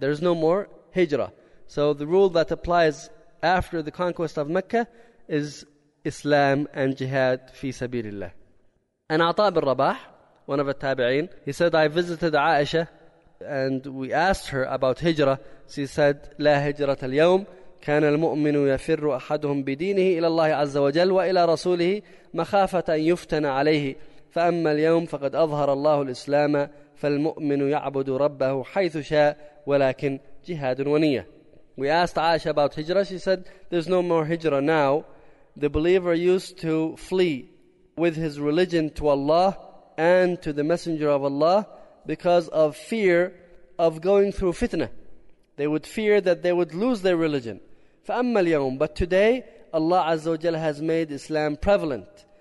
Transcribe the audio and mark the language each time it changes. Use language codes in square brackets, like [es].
[en] There is no more hijrah. So the rule that applies after the conquest of Mecca is Islam and jihad fi sabilillah. And Ata bin Rabah, one of the tabi'in, he said, "I visited Aisha and we asked her about hijrah. She said, [ar] 'La hijrat al-yawm.'" كان المؤمن يفر أحدهم بدينه إلى الله عز وجل وإلى رسوله مخافة أن يفتن عليه فأما اليوم فقد أظهر الله الإسلام فالمؤمن يعبد ربه حيث شاء ولكن جهاد ونية. [en] We asked Aisha about hijrah. She said, there's no more hijrah now. the believer used to flee with his religion to Allah and to the Messenger of Allah because of fear of going through fitna. They would fear that they would lose their religion. [ar] فَأَمَّا الْيَوْمِ [en] But today, Allah Azza wa Jal has made Islam prevalent.